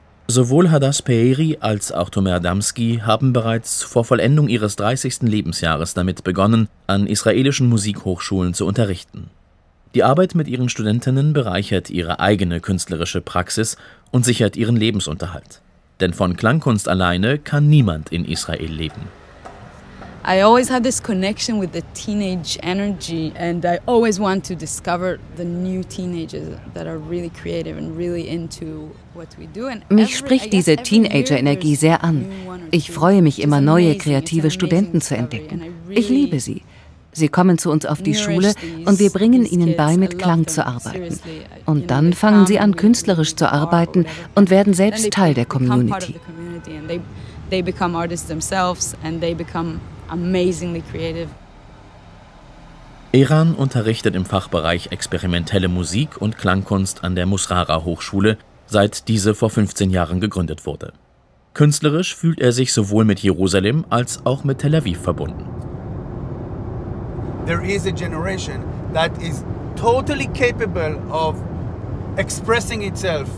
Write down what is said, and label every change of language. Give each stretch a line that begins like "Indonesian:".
German: Sowohl Hadass Peiri als auch Tomer Adamski haben bereits vor Vollendung ihres 30. Lebensjahres damit begonnen, an israelischen Musikhochschulen zu unterrichten. Die Arbeit mit ihren Studentinnen bereichert ihre eigene künstlerische Praxis und sichert ihren Lebensunterhalt. Denn von Klangkunst alleine kann niemand in Israel leben.
English: I always had this connection with the teenage energy and I always want to discover the new teenagers that are really creative and really into what we do.
German: Mich spricht diese Teenager-Energie sehr an. Ich freue mich immer, neue kreative Studenten zu entdecken. Ich liebe sie. Sie kommen zu uns auf die Schule und wir bringen ihnen bei, mit Klang zu arbeiten. Und dann fangen sie an, künstlerisch zu arbeiten und werden selbst Teil der Community.
English: They become artists themselves and they become amazingly creative.
German: Eran unterrichtet im Fachbereich experimentelle Musik und Klangkunst an der Musrara Hochschule, seit diese vor 15 Jahren gegründet wurde. Künstlerisch fühlt er sich sowohl mit Jerusalem als auch mit Tel Aviv verbunden.
English: There is a generation that is totally capable of expressing itself.